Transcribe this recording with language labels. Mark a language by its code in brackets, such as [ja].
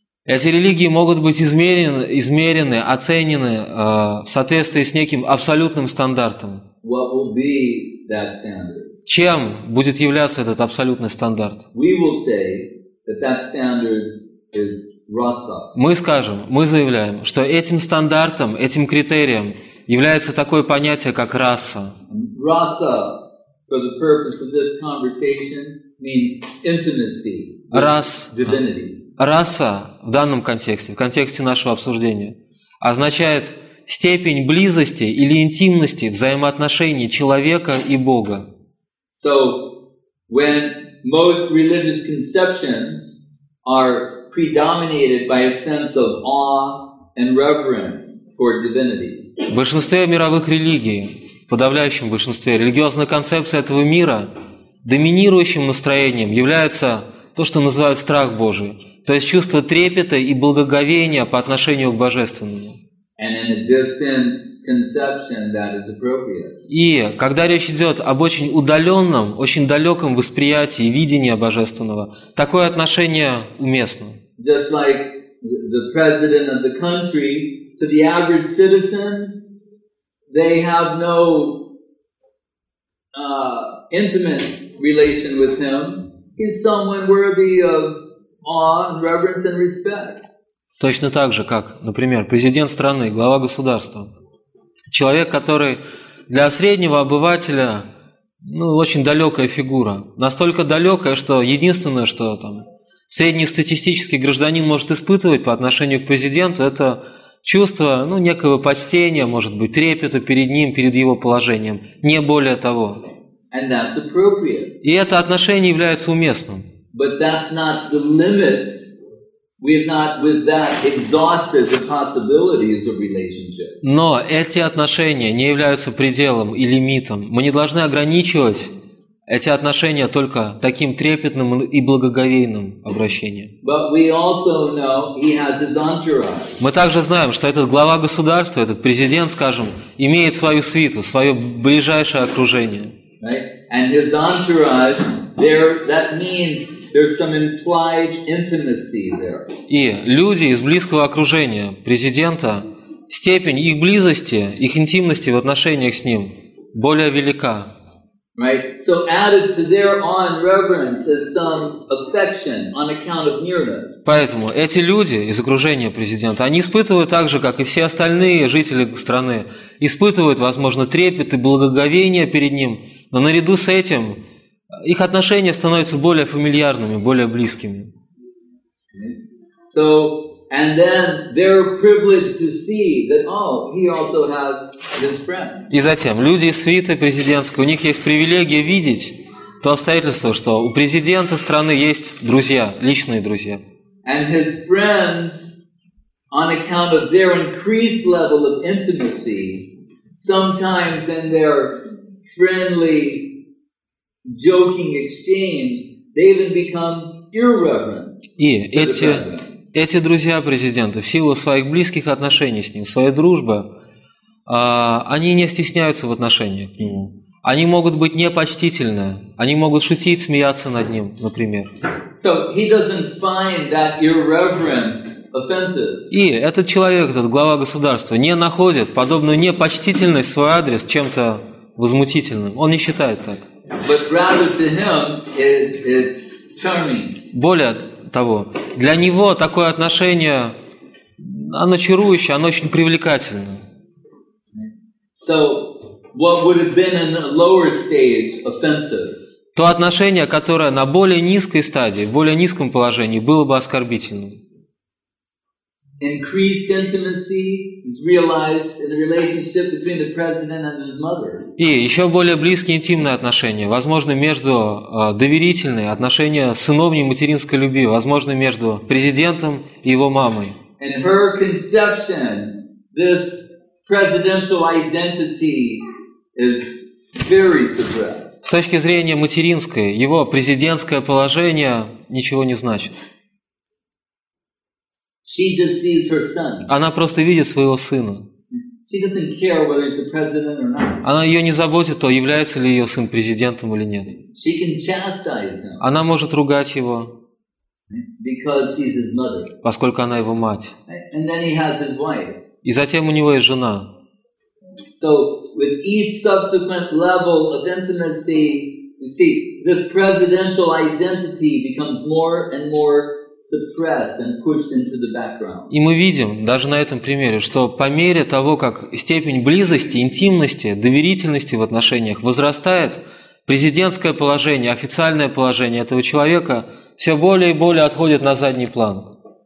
[ru] Эти религии могут быть измерены, оценены в соответствии с неким абсолютным стандартом. [en] what will be that standard? [ru] Чем будет являться этот абсолютный стандарт? [en] We will say that that standard is rasa. [ru] Мы скажем, мы заявляем, что этим стандартом, этим критерием является такое понятие, как раса. [en] Rasa, for the purpose of this conversation, means intimacy with divinity. [ru] Раса в данном контексте, в контексте нашего обсуждения, означает степень близости или интимности взаимоотношений человека и Бога. [en] So, when most religious conceptions are predominated by a sense of awe and reverence for divinity. [ru] В большинстве мировых религий, в подавляющем большинстве, религиозная концепция этого мира доминирующим настроением является то, что называют страх Божий, то есть чувство трепета и благоговения по отношению к Божественному. [en] And in a distant conception that is appropriate. [ru] И когда речь идет об очень удаленном, очень далеком восприятии и видении Божественного, такое отношение уместно. [en] Just like the president of the country to the average citizens, they have no intimate relation with him. He's someone worthy of awe, reverence, and respect. [ru] Точно так же, как, например, президент страны, глава государства. Человек, который для среднего обывателя, ну, очень далекая фигура. Настолько далекая, что единственное, что там среднестатистический гражданин может испытывать по отношению к президенту, это чувство, ну, некого почтения, может быть, трепета перед ним, перед его положением. Не более того. [en] And that's appropriate. [ru] И это отношение является уместным. [en] But that's not the limit. We have not with that exhausted the possibilities of relationship. [ru] Но эти отношения не являются пределом и лимитом. Мы не должны ограничивать эти отношения только таким трепетным и благоговейным обращением. [en] But we also know he has his entourage. [ru] Мы также знаем, что этот глава государства, этот президент, скажем, имеет свою свиту, свое ближайшее окружение. [en] Right? And his entourage, there, that means there's some implied intimacy there. [ru] И люди из близкого окружения президента, степень их близости, их интимности в отношениях с ним более велика. [en] Right? So added to their awe and reverence is some affection on account of nearness. [ru] Поэтому эти люди из окружения президента, они испытывают так же, как и все остальные жители страны, испытывают, возможно, трепет и благоговение перед ним, но наряду с этим их отношения становятся более фамильярными, более близкими. [en] So, and then they're privileged to see that, oh, he also has his friend. [ru] И затем люди из свиты президентской, у них есть привилегия видеть то обстоятельство, что у президента страны есть друзья, личные друзья. [en] And his friends, on account of their increased level of intimacy, sometimes in their friendly joking exchange, they even become irreverent. [ru] И эти друзья президента, в силу своих близких отношений с ним, своей дружбы, они не стесняются в отношениях к нему. Они могут быть непочтительны, они могут шутить, смеяться над ним, например. [en] So he doesn't find that irreverence offensive. [ru] И этот человек, этот глава государства, не находит подобную непочтительность в свой адрес чем-то возмутительным. Он не считает так. [en] But rather to him, it's charming. [ru] Более того, для него такое отношение, оно чарующее, оно очень привлекательное. [en] So, what would have been in a lower stage offensive? [ru] То отношение, которое на более низкой стадии, в более низком положении, было бы оскорбительным. [en] Increased intimacy is realized in the relationship between the president and his mother. [ru] И еще более близкие интимные отношения, возможно, между доверительные отношения сыновней материнской любви, возможно, между президентом и его мамой. [en] In her conception, this presidential identity is very suppressed. [ru] С точки зрения материнской, его президентское положение ничего не значит. [en] She just sees her son. [ru] Она просто видит своего сына. [en] She doesn't care whether he's the president or not. [ru] Она ее не заботит, то является ли ее сын президентом или нет. [en] She can chastise him. [ru] Она может ругать его, [en] because she's his mother. [ru] Поскольку она его мать. [en] And then he has his wife. [ru] И затем у него есть жена. [en] So with each subsequent level of intimacy, you see, this presidential identity becomes more and more suppressed and pushed into the background. [ru] И мы видим даже на этом примере, что по мере того, как степень близости, интимности, доверительности в отношениях возрастает, президентское положение, официальное положение этого человека все более и более отходит на задний план.